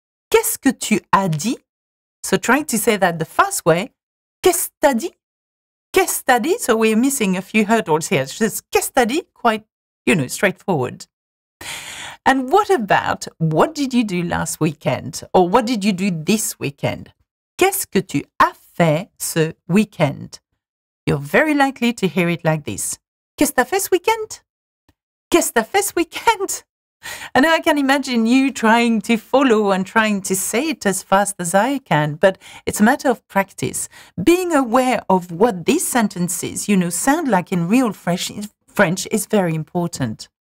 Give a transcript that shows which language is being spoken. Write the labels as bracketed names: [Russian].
[French] Qu'est-ce que tu as dit? [English] So trying to say that the fast way. [French] Qu'est-ce que t'as dit? Qu'est-ce que t'as dit? [English] So we're missing a few hurdles here. She says, [French] qu'est-ce que t'as dit? [English] Quite, you know, straightforward. And what about, what did you do last weekend? Or what did you do this weekend? [French] Qu'est-ce que tu as fait ce weekend? [English] You're very likely to hear it like this. [French] Qu'est-ce que t'as fait ce weekend? Qu'est-ce que t'as fait ce weekend? [English] And I can imagine you trying to follow and trying to say it as fast as I can, but it's a matter of practice. Being aware of what these sentences, you know, sound like in real French is very important.